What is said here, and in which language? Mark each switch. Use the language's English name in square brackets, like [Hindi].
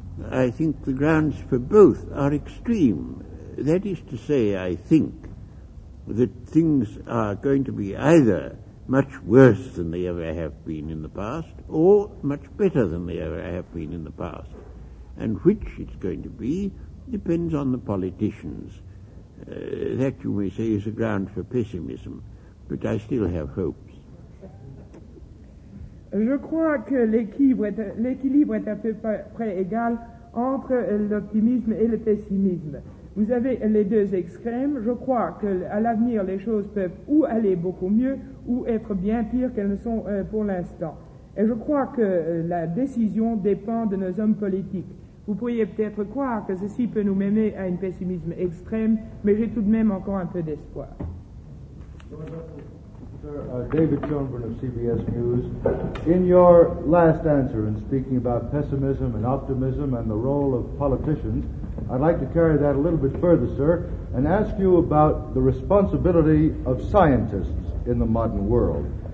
[English] I think the grounds for both are extreme. That is to say, I think that things are going to be either much worse than they ever have been in the past or much better than they ever have been in the past. And which it's going to be depends on the politicians. That, you may say, is a ground for pessimism, but I still have hopes. [French] Je crois que l'équilibre est à peu près égal entre l'optimisme et le pessimisme. Vous avez les deux extrêmes. Je crois qu'à l'avenir, les choses peuvent ou aller beaucoup mieux ou être bien pires qu'elles ne sont pour l'instant. Et je crois que la décision dépend de nos hommes politiques. Vous pourriez peut-être croire que ceci peut nous mener à un pessimisme extrême, mais j'ai tout de même encore un peu d'espoir. [English] David Schoenberg of CBS News. In your last answer in speaking about pessimism and optimism and the role of politicians, I'd like to carry that a little bit further, sir, and ask you about the responsibility of scientists in the modern world.